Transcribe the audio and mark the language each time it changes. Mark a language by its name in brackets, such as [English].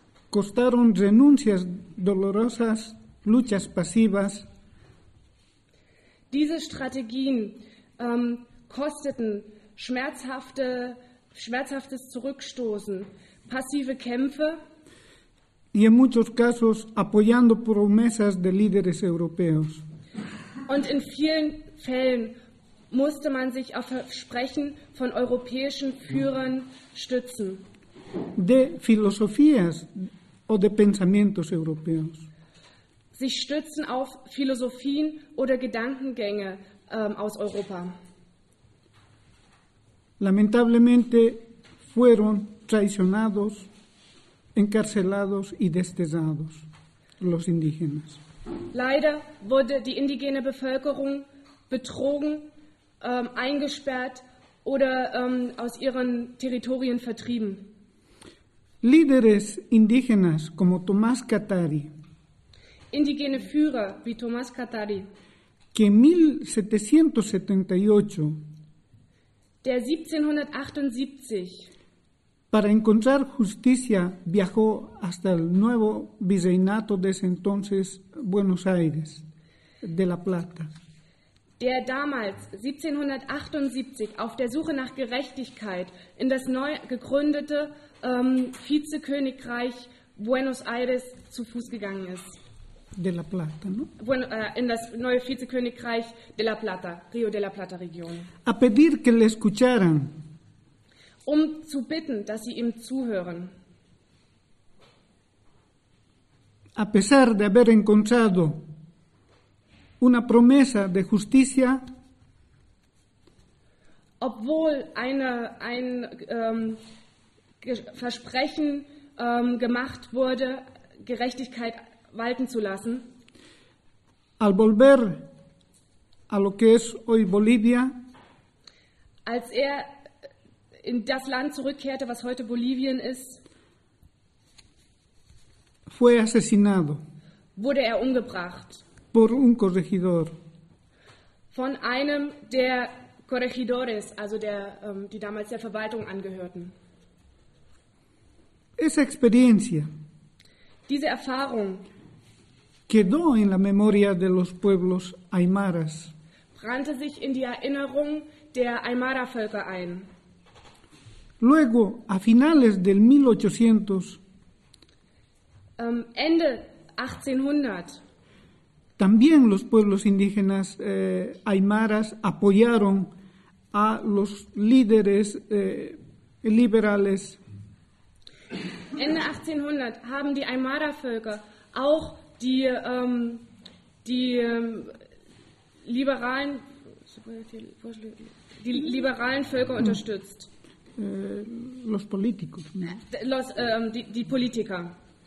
[Spanish] costaron renuncias dolorosas, luchas pasivas. [German] Diese Strategien kosteten schmerzhaftes Zurückstoßen, passive Kämpfe. [Spanish] Y en muchos casos apoyando promesas de líderes europeos. [German] Und in vielen Fällen musste man sich auf Versprechen von europäischen Führern stützen. [Spanish] De filosofías o de pensamientos europeos. [German] Sich stützen auf Philosophien oder Gedankengänge aus Europa. [Spanish] Lamentablemente fueron traicionados, encarcelados y desterrados los indígenas. [German] Leider wurde die indigene Bevölkerung betrogen, eingesperrt oder aus ihren Territorien vertrieben. [Spanish] Líderes indígenas como Tomás Katari. [German] Indigene Führer wie Tomás Katari. [Spanish] Que 1778. [German] Der 1778. [Spanish] Para encontrar justicia viajó hasta el nuevo virreinato de ese entonces, Buenos Aires, de La Plata. [German] Der damals 1778 auf der Suche nach Gerechtigkeit in das neu gegründete Vizekönigreich Buenos Aires zu Fuß gegangen ist. [Spanish] De La Plata, ¿no? [German] Bueno, in das neue Vizekönigreich de La Plata, Rio de la Plata Region. [Spanish] A pedir que le escucharan. [German] Um zu bitten, dass sie ihm zuhören. [Spanish] A pesar de haber encontrado una promesa de justicia, [German] obwohl ein Versprechen gemacht wurde, Gerechtigkeit walten zu lassen, [Spanish] al volver a lo que es hoy Bolivia, [German] als er in das Land zurückkehrte, was heute Bolivien ist, [Spanish] fue asesinado, [German] wurde er umgebracht. [Spanish] Por un corregidor. [German] Von einem der Corregidores, also der, die damals der Verwaltung angehörten. [Spanish] Esa experiencia, [German] diese Erfahrung, [Spanish] quedó en la memoria de los pueblos aymaras, [German] brannte sich in die Erinnerung der Aymara-Völker ein. [Spanish] Luego, a finales del 1800, [German] Ende 1800, [Spanish] también los pueblos indígenas aymaras apoyaron a los líderes liberales. [German] Ende 1800 haben die Aymara-Völker auch die liberalen Völker unterstützt. [Spanish] Los políticos. [German] Die Politiker.